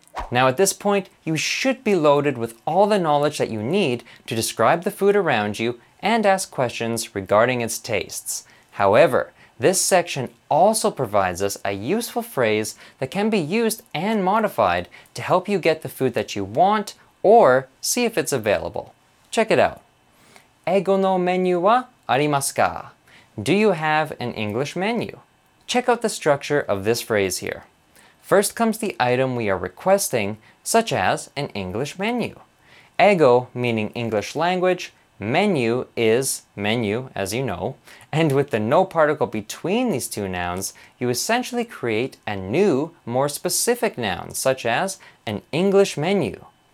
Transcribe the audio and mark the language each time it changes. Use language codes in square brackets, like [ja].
[en] Now at this point, you should be loaded with all the knowledge that you need to describe the food around you and ask questions regarding its tastes. However, this section also provides us a useful phrase that can be used and modified to help you get the food that you want or see if it's available. Check it out. [ja] 英語のメニューはありますか? [en] Do you have an English menu? Check out the structure of this phrase here. First comes the item we are requesting, such as an English menu. Ego, meaning English language, menu is menu, as you know, and with the no particle between these two nouns, you essentially create a new, more specific noun, such as an English menu.